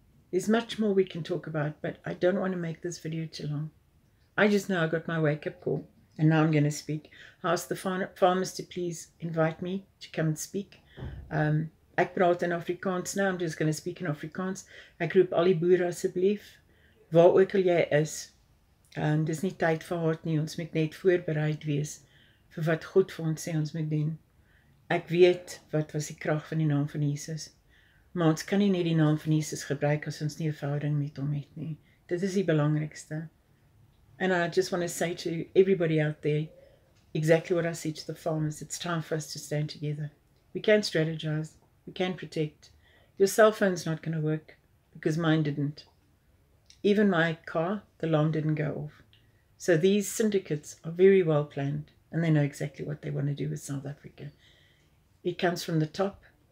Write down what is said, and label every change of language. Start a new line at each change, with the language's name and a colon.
English: There's much more we can talk about, but I don't want to make this video too long. I just know I got my wake-up call, and now I'm going to speak. I asked the farmers to please invite me to come and speak.
Afrikaans: Ek praat in Afrikaans
English: now. I'm just going to speak in Afrikaans.
Afrikaans: Ek roep al die boere asseblief. Waar ook al jy is, dis nie tyd vir haat nie. Ons moet net voorbereid wees vir wat God vir ons sê ons moet doen. Ek weet wat was die krag van die naam van Jesus. Maar ons kan nie net die naam van Jesus gebruik as ons nie 'n verhouding met hom het nie. Dit is die belangrikste.
English: And I just want to say to everybody out there, exactly what I said to the farmers, it's time for us to stand together. We can strategize, we can protect. Your cell phone's not going to work because mine didn't. Even my car, the alarm didn't go off. So these syndicates are very well planned and they know exactly what they want to do with South Africa. It comes from the top.